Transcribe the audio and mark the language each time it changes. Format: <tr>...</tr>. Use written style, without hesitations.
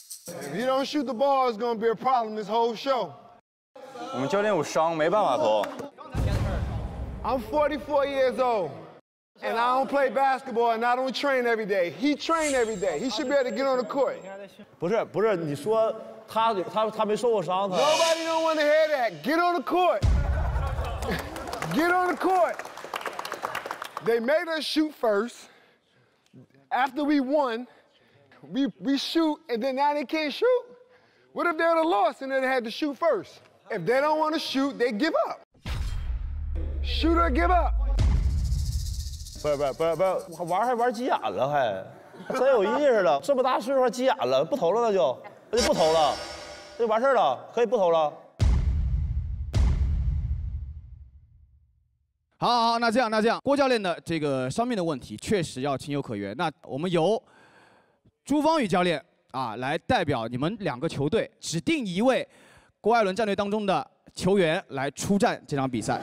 <en>If you don't shoot the ball, it's gonna be a problem this whole show.</en> <zh>我们教练有伤，没办法投。</zh> <en>I'm 44 years old, and I don't play basketball, and I don't train every day. He trained every day. He should be able to get on the court.</en> <zh>不是不是，你说他没受过伤，他。</zh> <en>Nobody don't want to hear that. Get on the court. Get on the court. They made us shoot first. After we won, we shoot, and then now they can't shoot. What if they're the loss and they had to shoot first? If they don't want to shoot, they give up. Shooter, give up.</en> <zh>不，玩还玩急眼了，还真有意思了。这么大岁数还急眼了，不投了，那就不投了，那就完事了，可以不投了。好，那这样，郭教练的这个伤病的问题确实要情有可原。那我们由朱芳雨教练啊来代表你们两个球队，指定一位郭艾伦战队当中的球员来出战这场比赛。</zh>